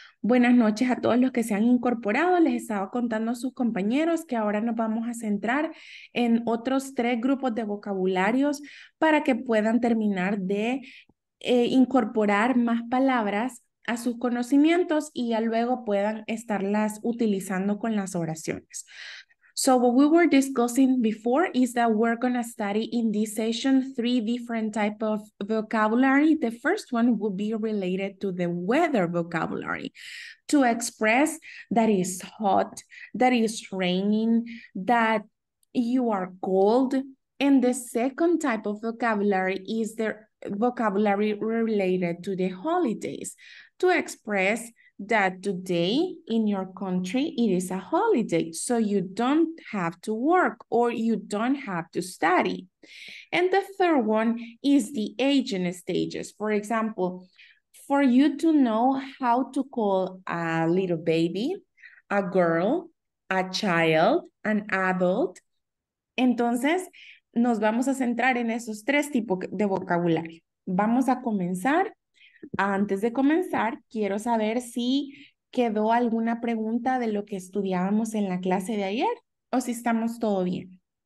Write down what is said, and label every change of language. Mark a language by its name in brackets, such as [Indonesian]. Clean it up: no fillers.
[Spanish] Buenas noches a todos los que se han incorporado. Les estaba contando a sus compañeros que ahora nos vamos a centrar en otros tres grupos de vocabularios para que puedan terminar de incorporar más palabras a sus conocimientos y ya luego puedan estarlas utilizando con las oraciones. [English] So what we were discussing before is that we're going to study in this session three different types of vocabulary. The first one will be related to the weather vocabulary, to express that it's hot, that it's raining, that you are cold. And the second type of vocabulary is the vocabulary related to the holidays, to express that today in your country it is a holiday, so you don't have to work or you don't have to study. And the third one is the aging stages. For example, for you to know how to call a little baby, a girl, a child, an adult. [Spanish] Entonces, nos vamos a centrar en esos tres tipos de vocabulario. Vamos a comenzar. Antes de comenzar, quiero saber si quedó alguna pregunta de lo que estudiábamos en la clase de ayer o si estamos todo bien.